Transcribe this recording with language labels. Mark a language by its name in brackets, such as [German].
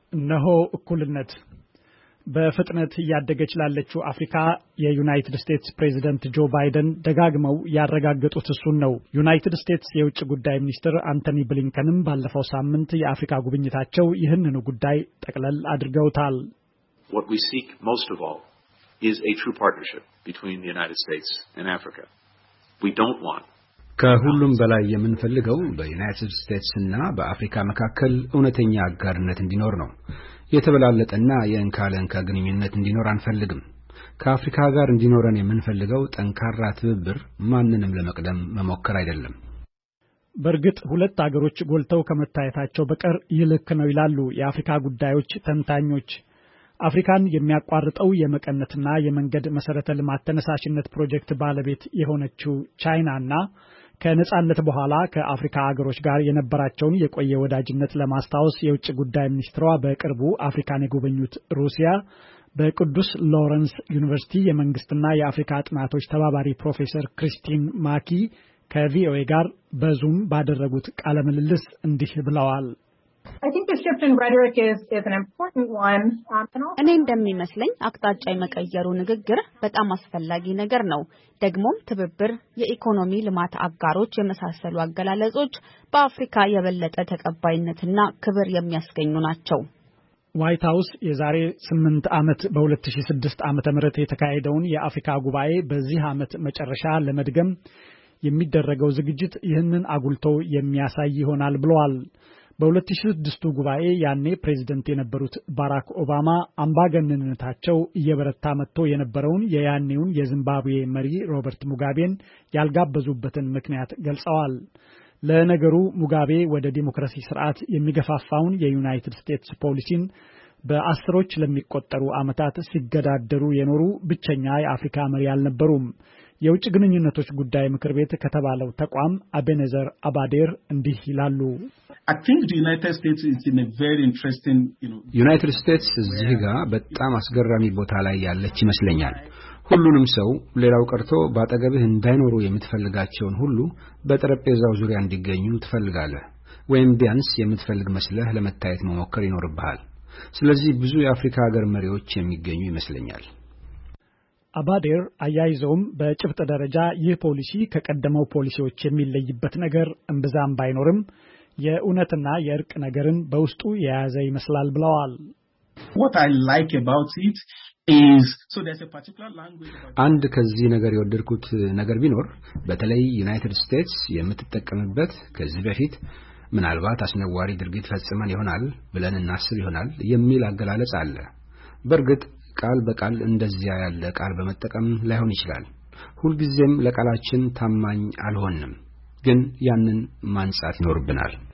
[Amharic] ነሆ እኩልነት በፍጥነት ያደገች ላለችው አፍሪካ የዩናይትድ ስቴትስ ፕሬዝዳንት ጆ ባይደን ደጋግመው ያረጋግጡት እሱን ነው። ዩናይትድ ስቴትስ የውጭ ጉዳይ ሚኒስትር አንቶኒ ብሊንከንም ባለፈው ሳምንት የአፍሪካ ጉብኝታቸው ይህንኑ ጉዳይ ጠቅለል አድርገውታል። [English] What we seek most of all is a true partnership between the United States and Africa. We don't want [Amharic] ከሁሉም በላይ የምንፈልገው በዩናይትድ ስቴትስ እና በአፍሪካ መካከል እውነተኛ አጋርነት እንዲኖር ነው። የተበላለጠና የእንካለንካ ግንኙነት እንዲኖር አንፈልግም። ከአፍሪካ ጋር እንዲኖረን የምንፈልገው ጠንካራ ትብብር ማንንም ለመቅደም መሞከር አይደለም። በርግጥ ሁለት አገሮች ጎልተው ከመታየታቸው በቀር ይልክ ነው ይላሉ የአፍሪካ ጉዳዮች ተንታኞች። አፍሪካን የሚያቋርጠው የመቀነትና የመንገድ መሰረተ ልማት ተነሳሽነት ፕሮጀክት ባለቤት የሆነችው ቻይናና ከነጻነት በኋላ ከአፍሪካ አገሮች ጋር የነበራቸውን የቆየ ወዳጅነት ለማስተዋወስ የውጭ ጉዳይ ሚኒስትሯ በቅርቡ አፍሪካን የጎበኙት ሩሲያ በቅዱስ ሎረንስ ዩኒቨርሲቲ የመንግስትና የአፍሪካ ጥናቶች ተባባሪ ፕሮፌሰር ክሪስቲን ማኪ ከቪኦኤ ጋር በዙም ባደረጉት ቃለ ምልልስ እንዲህ ብለዋል። [English] I think the shift in rhetoric is an important one. [Amharic] እኔ እንደሚመስለኝ አክታጫይ መቀየሩ ንግግር በጣም አስፈላጊ ነገር ነው። ደግሞ ትብብር፣ የኢኮኖሚ ልማት አጋሮች የመሳሰሉ አገላለጾች በአፍሪካ የበለጠ ተቀባይነትና ክብር የሚያስገኙ ናቸው። ዋይት ሃውስ የዛሬ 8 ዓመት በ2006 ዓመተ ምህረት የተካሄደውን የአፍሪካ ጉባኤ በዚህ ዓመት መጨረሻ ለመድገም የሚደረገው ዝግጅት ይህንን አጉልቶ የሚያሳይ ይሆናል ብለዋል። በ2006ቱ ጉባኤ ያኔ ፕሬዝዳንት የነበሩት ባራክ ኦባማ አምባገነንነታቸው እየበረታ መጥቶ የነበረውን የያኔውን የዚምባብዌ መሪ ሮበርት ሙጋቤን ያልጋበዙበትን ምክንያት ገልጸዋል። ለነገሩ ሙጋቤ ወደ ዲሞክራሲ ስርዓት የሚገፋፋውን የዩናይትድ ስቴትስ ፖሊሲን በአስሮች ለሚቆጠሩ አመታት ሲገዳደሩ የኖሩ ብቸኛ የአፍሪካ መሪ አልነበሩም። የውጭ ግንኙነቶች ጉዳይ ምክር ቤት ከተባለው ተቋም አቤነዘር አባዴር እንዲህ ይላሉ። [English] I think the United States is in a very interesting [Amharic] United States እዚህ ጋር በጣም አስገራሚ ቦታ ላይ ያለች ይመስለኛል። ሁሉንም ሰው ሌላው ቀርቶ ባጠገብህ እንዳይኖሩ የምትፈልጋቸውን ሁሉ በጠረጴዛው ዙሪያ እንዲገኙ ትፈልጋለህ ወይም ቢያንስ የምትፈልግ መስለህ ለመታየት መሞከር ይኖርብሃል። ስለዚህ ብዙ የአፍሪካ ሀገር መሪዎች የሚገኙ ይመስለኛል። አባዴር አያይዘውም በጭብጥ ደረጃ ይህ ፖሊሲ ከቀደመው ፖሊሲዎች የሚለይበት ነገር እንብዛም ባይኖርም የኡነትና የርቅ ነገርን በውስጡ የያዘ ይመስላል ብለዋል። [English] What I like about it is so there's a particular language about [Amharic] አንድ ከዚህ ነገር ይወደድኩት ነገር ቢኖር በተለይ ዩናይትድ ስቴትስ የምትጠቀምበት ከዚህ በፊት ምናልባት አስነዋሪ ድርጊት ፈጽመን ይሆናል ብለን እናስብ ይሆናል የሚል አገላለጽ አለ። በርግጥ ቃል በቃል እንደዚያ ያለ ቃል በመጠቀም ላይሆን ይችላል። ሁልጊዜም ለቃላችን ታማኝ አልሆንም ግን ያንን ማንጻት ይኖርብናል።